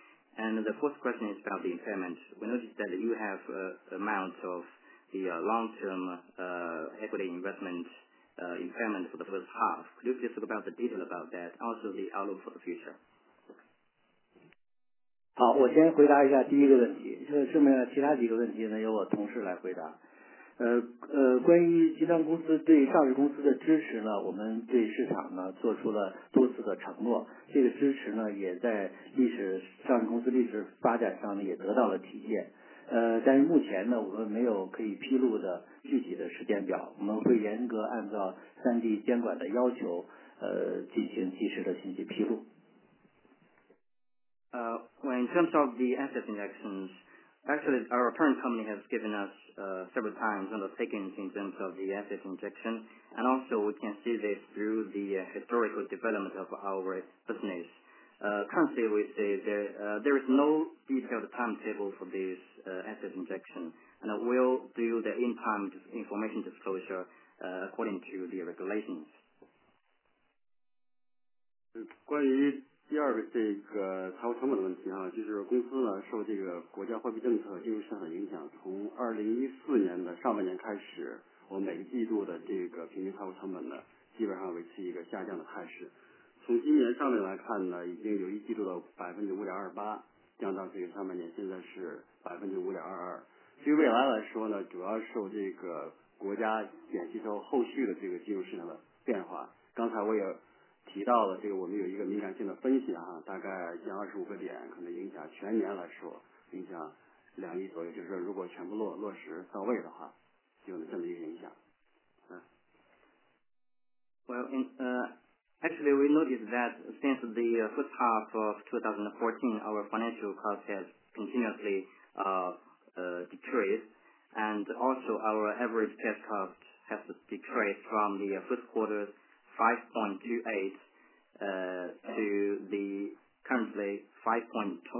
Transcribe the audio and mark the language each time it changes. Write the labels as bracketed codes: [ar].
[en] And the fourth question is about the impairment. We noticed that you have amount of the long-term equity investment impairment for the first half. Could you please talk about the detail about that, also the outlook for the future? [zh] 好，我先回答一下第一个问题，就是剩下其他几个问题呢由我同事来回答。关于集团公司对上市公司的支持呢，我们对市场呢做出了多次的承诺，这个支持呢也在历史上市公司历史发展上呢也得到了体现。但是目前呢我们没有可以披露的具体的时间表，我们会严格按照三地监管的要求进行及时的信息披露。 [en] When in terms of the asset injections, actually our parent company has given us several times undertakings in terms of the asset injection, and also we can see this through the historical development of our business. Currently we say there is no detailed timetable for this asset injection, and we'll do the in-time information disclosure according to the regulations. [zh] 关于第二个这个财务成本的问题啊，就是公司呢受这个国家货币政策金融市场的影响，从2014年的上半年开始，我每个季度的这个平均财务成本呢基本上维持一个下降的态势。从今年上半年来看呢，已经由一季度的5.28%降到这个上半年现在是2.22%。对于未来来说呢，主要受这个国家减息之后后续的这个金融市场的变化。刚才我也提到了这个，我们有一个敏感性的分析啊，大概125个点，可能影响全年来说影响2亿左右，就是说如果全部落实到位的话，就有这么一个影响。 [en] Well, in actually, we noticed that since the first half of 2014, our financial cost has continuously decreased, and also our average cash cost has decreased from the first quarter 5.28 to the currently 5.22.